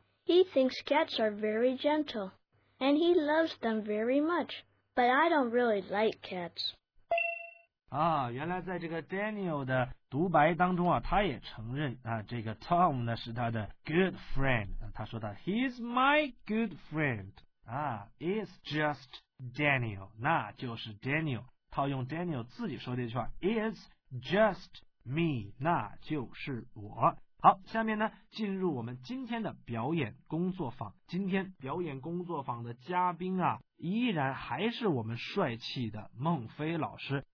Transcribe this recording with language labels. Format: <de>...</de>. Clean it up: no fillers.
<en>He thinks cats are very gentle, and he loves them very much. But I don't really like cats.</en> <zh>啊，原来在这个 Daniel 的独白当中啊，他也承认啊，这个 Tom 呢是他的 good friend。他说的</zh> <en>，He is my good friend. It's just.</en> <zh>Daniel， 那就是 Daniel， 套用 Daniel 自己说的一句话 ，</zh> <en>It's just me，</en> <zh>那就是我。好，下面呢，进入我们今天的表演工作坊。今天表演工作坊的嘉宾啊，依然还是我们帅气的孟非老师。</zh>